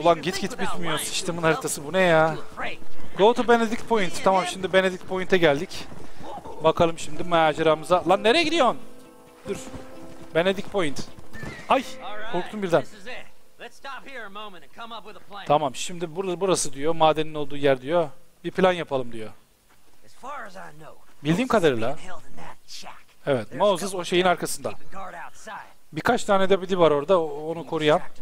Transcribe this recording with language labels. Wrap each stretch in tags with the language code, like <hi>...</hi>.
<tr>Ulan git git bitmiyor sistemin haritası, bu ne ya?</tr> <en>Go to Benedict Point.</en> <tr>Tamam şimdi Benedict Point'e geldik. Bakalım şimdi maceramıza. Lan nereye gidiyorsun? Dur. Benedict Point. Ay korktum birden.</tr> <en>Let's stop here a moment and come up with a plan.</en> <tr>Tamam, şimdi burası diyor, madenin olduğu yer diyor. Bir plan yapalım diyor.</tr> <en>As far as I know,</en> <tr>bildiğim kadarıyla. Evet, Moses o şeyin arkasında. Birkaç tane de bidi var orada, onu koruyan.</tr>